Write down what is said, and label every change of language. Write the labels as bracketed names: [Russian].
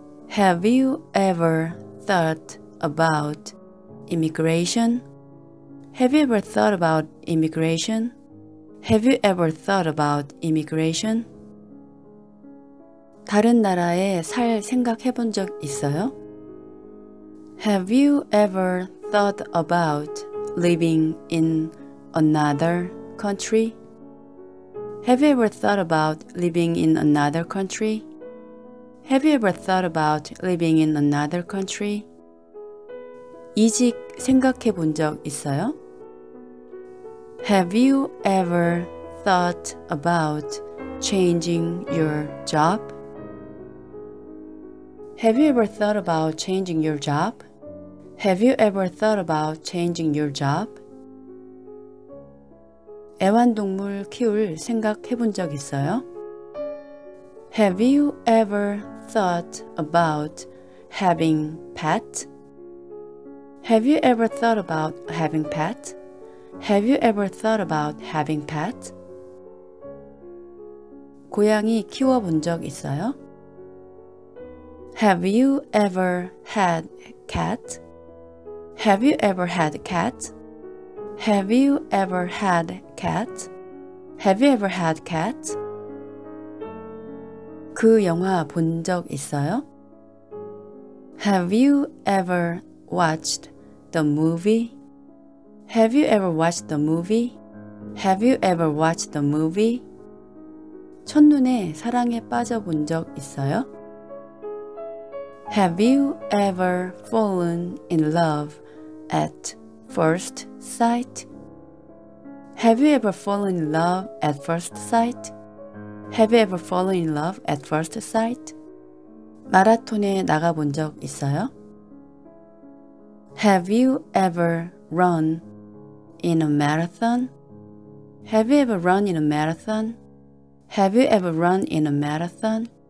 [English] Have you ever thought about immigration? Have you ever thought about immigration? Have you ever thought about immigration? [Korean] 다른 나라에 살 생각해 본 적 있어요? [English] Have you ever thought about living in another country? Have you ever thought about living in another country? Have you ever thought about living in another country? [Korean] 이직 생각해 본 적 있어요? [English] Have you ever thought about changing your job? Have you ever thought about changing your job? Have you ever thought about changing your job? [Korean] 애완동물 키울 생각해 본 적 있어요? [English] Have you ever thought about having pet? Have you ever thought about having pet? Have you ever thought about having pet? [Korean] 고양이 키워 본 적 있어요? [English] Have you ever had cat? Have you ever had cat? Have you ever had cat? Have you ever had cat? [Korean] 그 영화 본 적 있어요? [English] Have you ever watched the movie? Have you ever watched the movie? Have you ever watched the movie? [Korean] 첫눈에 사랑에 빠져 본 적 있어요? [English] Have you ever fallen in love at first sight? Have you ever fallen in love at first sight? Have you ever fallen in love at first sight? [Korean] 마라톤에 나가 본 적 있어요? [English] Have you ever run in a marathon? Have you ever run in a marathon? Have you ever run in a marathon?